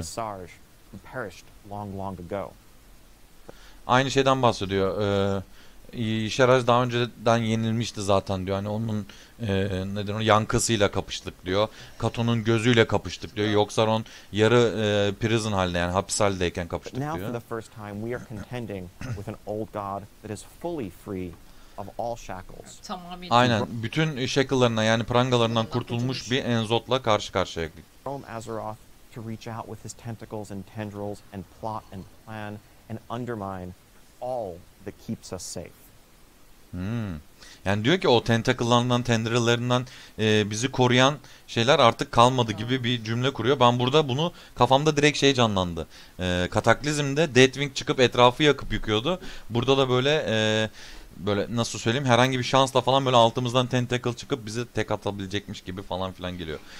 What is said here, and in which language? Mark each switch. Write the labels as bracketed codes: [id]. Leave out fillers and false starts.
[en] Ysarj, who perished long, long ago. [tr] Aynı şeyden bahsediyor. Sharash daha önceden yenilmişti zaten diyor. Hani onun neden onu yankısıyla kapıştık diyor. Katon'un gözüyle kapıştık diyor. Yogg-Saron yarı prison halde yani hapis haldeyken kapıştık diyor. [en] But now for the first time we are contending with an old god that is fully free of all shackles. [tr] Tamamen. Aynen bütün shackle'larına yani prangalarından kurtulmuş bir N'Zoth'la karşı karşıya. [en] From Azeroth to reach out with his tentacles and tendrils and plot and plan and undermine all that keeps us safe. Hmm. [tr] Yani diyor ki o tentakıllarından, tendrillerinden bizi koruyan şeyler artık kalmadı gibi bir cümle kuruyor. Ben burada bunu kafamda direkt şey canlandı. Kataklizm'de Deathwing çıkıp etrafı yakıp yıkıyordu. Burada da böyle böyle nasıl söyleyeyim herhangi bir şansla falan böyle altımızdan tentacle çıkıp bizi tek atabilecekmiş gibi falan filan geliyor.